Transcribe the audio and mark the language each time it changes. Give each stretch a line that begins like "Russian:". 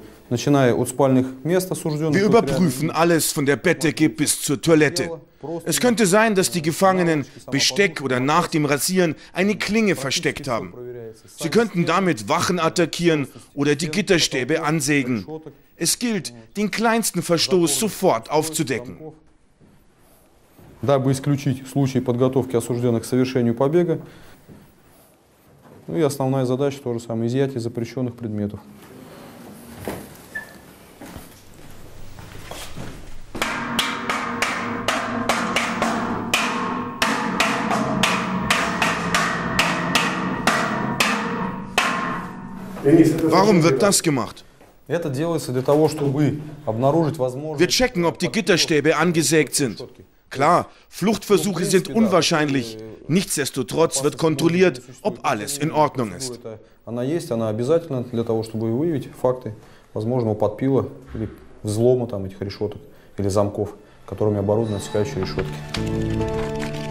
German: Wir überprüfen alles von der Bettdecke bis zur Toilette. Es könnte sein, dass die Gefangenen Besteck oder nach dem Rasieren eine Klinge versteckt haben. Sie könnten damit Wachen attackieren oder die Gitterstäbe ansägen. Es gilt, den kleinsten Verstoß sofort aufzudecken.
Russian: Дабы исключить случай подготовки осужденных к совершению побега. Ну и основная задача тоже самое изъятие запрещенных предметов.
German: Warum wird das gemacht?
Russian: Это делается для того, чтобы обнаружить возможность.
German: Wir checken, ob die Gitterstäbe angesägt sind. Klar, Fluchtversuche sind unwahrscheinlich. Nichtsdestotrotz wird kontrolliert, ob alles in Ordnung ist.
Russian: Она есть, она обязательно для того, чтобы выявить факты возможного подпила или взлома там этих решеток или замков, которыми оборудованы отсекающие решетки.